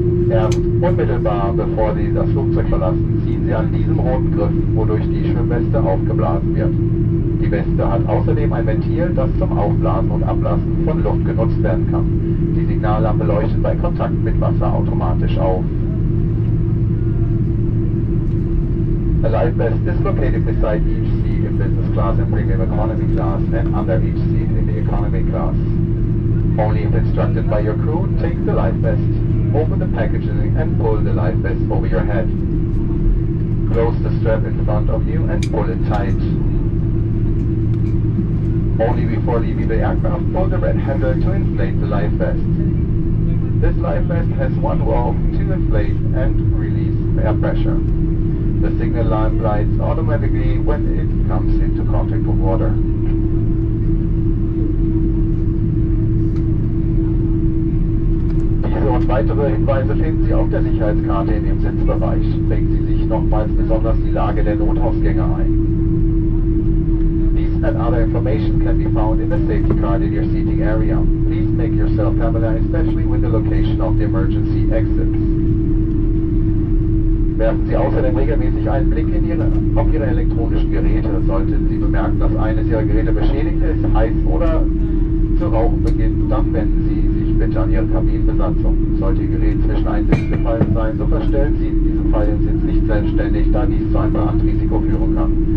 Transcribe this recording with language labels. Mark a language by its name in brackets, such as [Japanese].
[German] Erst unmittelbar bevor Sie das Flugzeug verlassen, ziehen Sie an diesem roten Griff, wodurch die Schwimmweste aufgeblasen wird. Die Weste hat außerdem ein Ventil, das zum Aufblasen und Ablassen von Luft genutzt werden kann. Die Signallampe leuchtet bei Kontakt mit Wasser automatisch auf. [English] A life vest is located beside each seat in Business Class and Premium Economy Class and under each seat in the Economy Class. Only if instructed by your crew, take the life vest. Open the packaging and pull the life vest over your head. Close the strap in front of you and pull it tight. Only before leaving the aircraft, pull the red handle to inflate the life vest. This life vest has one valve to inflate and release air pressure. The signal lamp lights automatically when it comes into contact with water. [German] Und weitere Hinweise finden Sie auf der Sicherheitskarte in dem Sitzbereich. Prägen Sie sich nochmals besonders die Lage der Notausgänge ein. [English] This and other information can be found in the safety card in your seating area. Please make yourself familiar, especially with the location of the emergency exits. [German] Werfen Sie außerdem regelmäßig einen Blick auf Ihre elektronischen Geräte. Sollten Sie bemerken, dass eines Ihrer Geräte beschädigt ist, heiß oder zu rauchen beginnt, dann wenden Sie bitte an Ihre Kabinenbesatzung. Sollte Ihr Gerät zwischen einen Sitz gefallen sein, so verstellen Sie in diesem Fall den Sitz nicht selbstständig, da dies zu einem Brandrisiko führen kann.